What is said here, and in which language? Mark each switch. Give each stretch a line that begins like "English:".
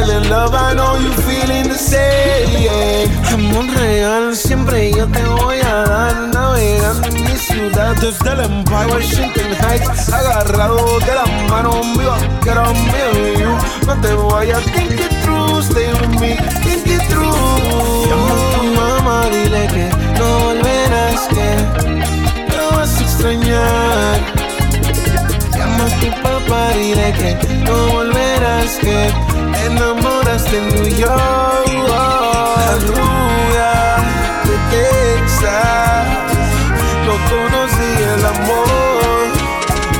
English: Love, I know you feeling the same, yeah.
Spanish: Amor real, siempre yo te voy a dar. Navegando en mi ciudad desde el Empire, Washington Heights. Agarrado de la mano, viva, quiero me you. No te vayas,
English: think it through, stay with me, think it through.
Spanish: Llama a tu mamá, dile que no volverás, que me vas a extrañar. Llama a tu papá, dile que no volverás, que enamoraste en New York. Oh, oh. La rubia de Texas no conocía el amor.